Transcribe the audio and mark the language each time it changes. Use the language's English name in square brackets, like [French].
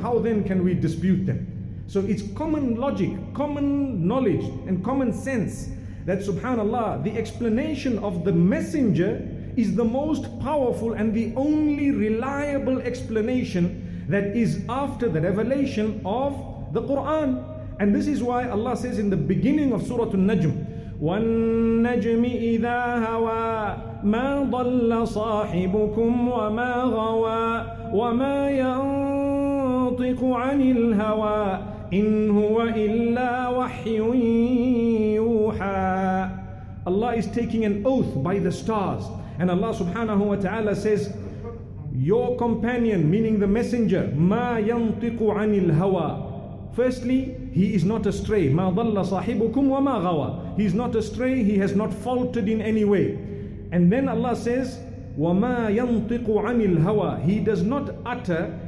[English] How then can we dispute them? So it's common logic, common knowledge and common sense that subhanallah, the explanation of the messenger is the most powerful and the only reliable explanation that is after the revelation of the Quran. And this is why Allah says in the beginning of Surah An-Najm, [Arabic] وَالنَّجْمِ إِذَا هَوَى مَا ضَلَّ صَاحِبُكُمْ وَمَا غَوَى وَمَا يَنطِقُ عَنِ الْهَوَى إِنْ هُوَ إِلَّا وَحْيٌ يُوحَى. [English] Allah is taking an oath by the stars, and Allah subhanahu wa ta'ala says, your companion, meaning the messenger, [Arabic] ma yantiqu anil hawa. [English] Firstly, he is not astray. [Arabic] Ma dalla sahibukum wa ma ghawa. [English] He is not astray, he has not faltered in any way. And then Allah says, [Arabic] wa ma yantiqu anil hawa. [English] He does not utter